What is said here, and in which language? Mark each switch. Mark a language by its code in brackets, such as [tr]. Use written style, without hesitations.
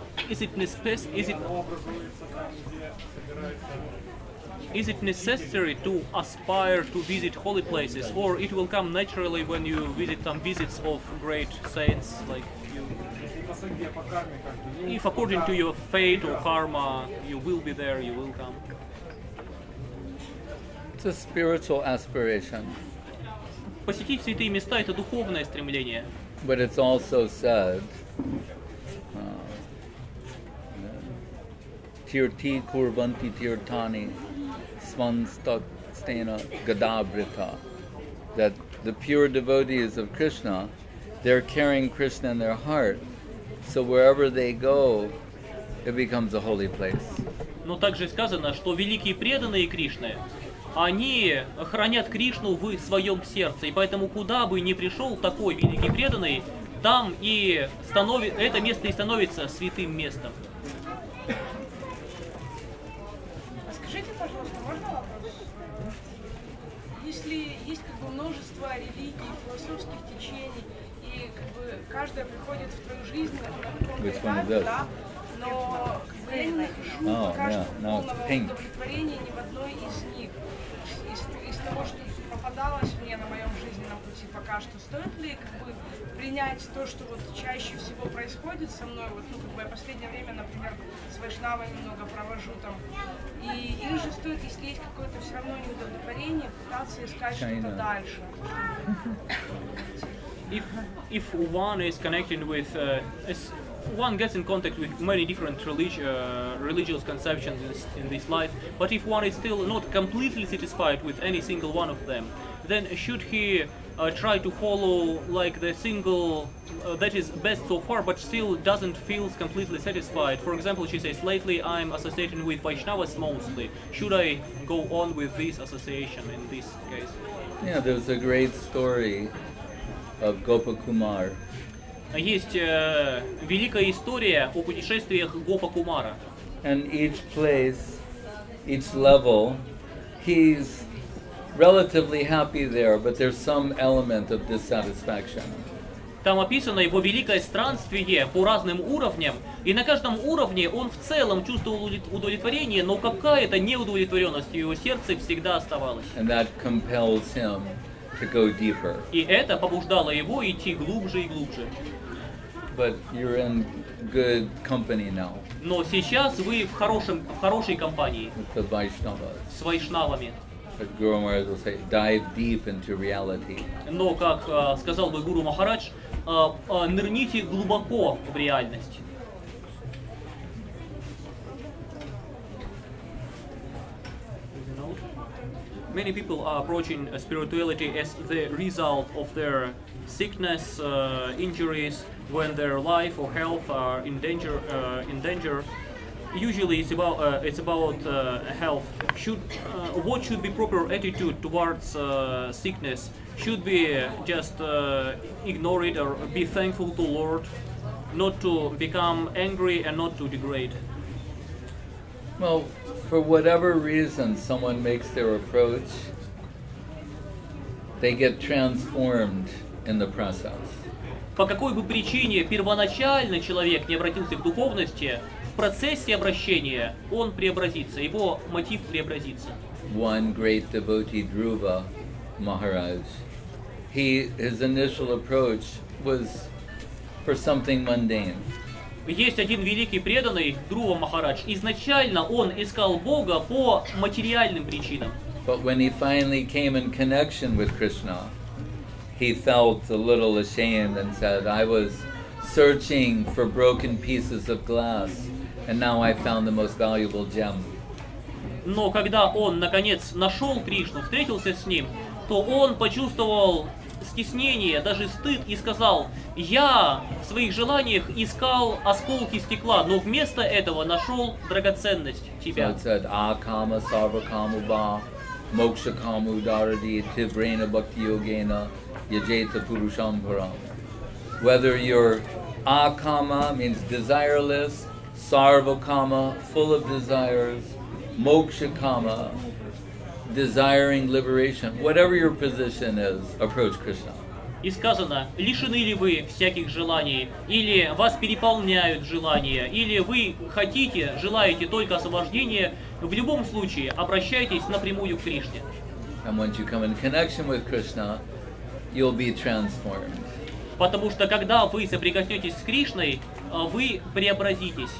[en] Is it necessary to aspire to visit holy places, or it will come naturally when you visit some visits of great saints, like you? If according to your fate or karma, you will be there, you will come. It's a spiritual aspiration. [ru] Посетить святые места — это духовное стремление. [en] But it's also said, [sa] Tirti Kurvanti Tirtani Svanstakstena Gadabrita, [en] that the pure devotees of Krishna, they're carrying Krishna in their heart, so wherever they go, it becomes a holy place. [ru] Но также сказано, что великие преданные Кришны, они хранят Кришну в своем сердце, и поэтому куда бы ни пришел такой великий преданный, там и это место и становится святым местом. Скажите, пожалуйста, можно вопрос? Если есть как бы множество религий, философских течений, и как бы каждая приходит в твою жизнь на каком-то этапе, да? Но я не нахожу пока что полного удовлетворения ни в одной из них. Того, что попадалось мне на моем жизненном пути пока что, стоит ли как бы принять то, что вот чаще всего происходит со мной, вот, ну, как бы я последнее время, например, с вайшнавами много провожу там, и или же стоит, если есть какое-то все равно неудовлетворение, пытаться искать что-то дальше. [en] If one is connected with one gets in contact with many different religious conceptions in this life, but if one is still not completely satisfied with any single one of them, then should he try to follow like the single that is best so far, but still doesn't feel completely satisfied? For example, she says, lately I'm associating with Vaishnavas mostly. Should I go on with this association in this case? Yeah, there's a great story of Gopakumar. [ru] Есть великая история о путешествиях Гопакумара. [en] And each place, each level, he's relatively happy there, but there's some element of dissatisfaction. [ru] Там описано его великое странствие по разным уровням, и на каждом уровне он в целом чувствовал удовлетворение, но какая-то неудовлетворенность в его сердце всегда оставалась. [en] And that compels him to go deeper. [ru] И это побуждало его идти глубже и глубже. [en] But you're in good company now. [ru] Но сейчас вы в хорошей компании. [en] With the Vaishnavas. [ru] С вайшнавами. [en] But Guru Maharaj will say, dive deep into reality. [ru] Но как сказал бы Гуру Махарадж, нырните глубоко в реальность. [en] Many people are approaching spirituality as the result of their sickness, injuries, when their life or health are in danger. Usually it's about health. What should be proper attitude towards sickness? Should be just ignore it or be thankful to Lord, not to become angry and not to degrade? Well, for whatever reason someone makes their approach, they get transformed in the process. [ru] По какой бы причине первоначально человек не обратился к духовности, в процессе обращения он преобразится, его мотив преобразится. [en] One great devotee, Dhruva Maharaj, his initial approach was for something mundane. [ru] Есть один великий преданный, Друва Махарадж. Изначально он искал Бога по материальным причинам. [en] But when he finally came in connection with Krishna, he felt a little ashamed and said, I was searching for broken pieces of glass, and now I found the most valuable gem. [ru] Но когда он наконец нашел Кришну, встретился с ним, то он почувствовал стеснение, даже стыд, и сказал, я в своих желаниях искал осколки стекла, но вместо этого нашел драгоценность тебя. [en] So it said, [sa] а кама сарва каму ба мокша каму дараде тиврена бхакти йогена яджета пурушам парам. [en] Whether you're [sa] а кама, [en] means desireless, [sa] сарва кама, [en] full of desires, [sa] мокша кама, [en] desiring liberation, whatever your position is, approach Krishna. [ru] И сказано, лишены ли вы всяких желаний, или вас переполняют желания, или вы хотите, желаете только освобождения, в любом случае обращайтесь напрямую к Кришне. [en] And once you come in connection with Krishna, you'll be transformed. [ru] Потому что когда вы соприкоснетесь с Кришной, вы преобразитесь.